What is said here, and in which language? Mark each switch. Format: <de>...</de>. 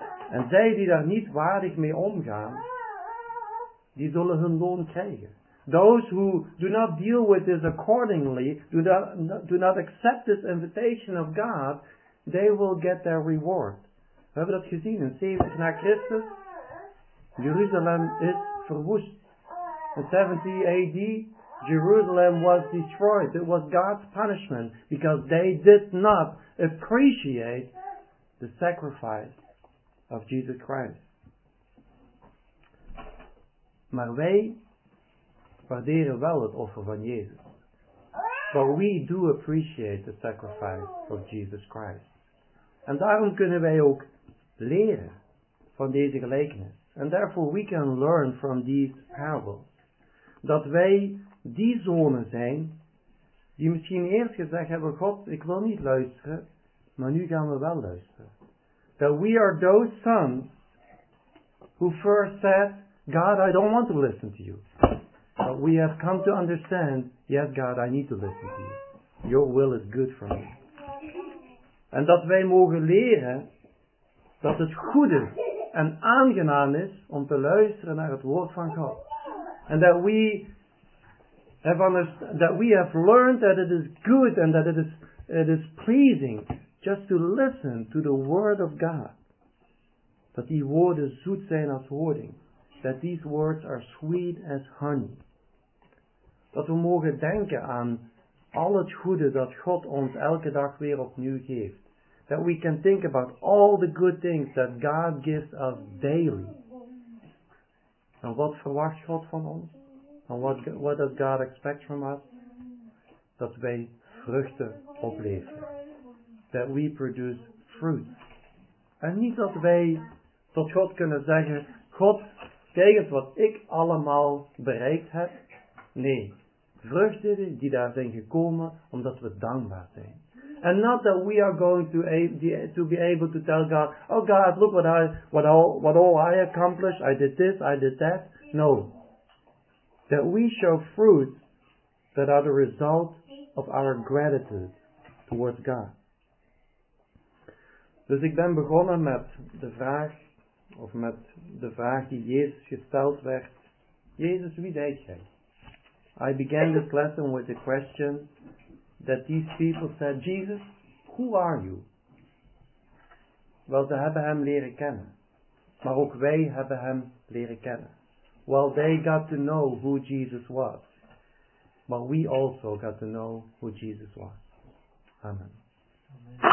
<nl>En zij die daar niet waardig mee omgaan, die zullen hun loon krijgen.</nl> <en>Those who do not deal with this accordingly, do not accept this invitation of God, they will get their reward.</en> <nl>We hebben dat gezien in 70 na Christus. Jeruzalem is verwoest.</nl> <en>In 70 AD, Jerusalem was destroyed. It was God's punishment because they did not appreciate the sacrifice of Jesus Christ.</en> <nl>Maar wij waarderen wel het offer van Jezus.</nl> <en>But we do appreciate the sacrifice of Jesus Christ.</en> <nl>En daarom kunnen wij ook leren van deze gelijkenis.</nl> <en>And therefore we can learn from these parables.</en> <nl>Dat wij die zonen zijn, die misschien eerst gezegd hebben, God, ik wil niet luisteren, maar nu gaan we wel luisteren.</nl> <en>That we are those sons who first said, God, I don't want to listen to you. But we have come to understand, yes God, I need to listen to you. Your will is good for me.</en> <nl>En dat wij mogen leren dat het goed is en aangenaam is om te luisteren naar het woord van God.</nl> <en>And that we have learned that it is good and that it is pleasing just to listen to the word of God.</en> <nl>Dat die woorden zoet zijn als hoording.</nl> <en>That these words are sweet as honey.</en> <nl>Dat we mogen denken aan al het goede dat God ons elke dag weer opnieuw geeft.</nl> <en>That we can think about all the good things that God gives us daily.</en> <nl>En wat verwacht God van ons?</nl> <en>En what does God expect from us?</en> <nl>Dat wij vruchten opleveren.</nl> <en>That we produce fruit.</en> <nl>En niet dat wij tot God kunnen zeggen, God, tegen wat ik allemaal bereikt heb. Nee, vruchten die daar zijn gekomen omdat we dankbaar zijn.</nl> <en>And not that we are going to be able to tell God, oh God, look what all I accomplished. I did this, I did that. No. That we show fruits that are the result of our gratitude towards God.</en> <nl>Dus ik ben begonnen met de vraag, of met de vraag die Jezus gesteld werd. Jezus, wie zijt gij?</nl> <en>I began this lesson with the question that these people said, Jesus, who are you?</en> <nl>Wel, ze hebben hem leren kennen. Maar ook wij hebben hem leren kennen.</nl> <en>Well, they got to know who Jesus was. But we also got to know who Jesus was. Amen. Amen.</en>